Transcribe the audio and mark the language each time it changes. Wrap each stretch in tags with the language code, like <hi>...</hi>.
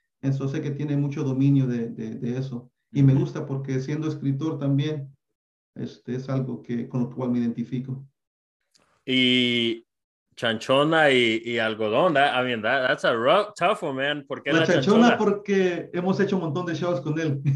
<es>Entonces sé que tiene mucho dominio de eso. Mm-hmm. Y me gusta porque siendo escritor también, es algo que, con lo cual me identifico.</es> <en>Y Chanchona y Algodón, that's a rough, tough one, man.</en> <es>¿Por qué la chanchona? Porque hemos hecho un montón de shows con él.</es>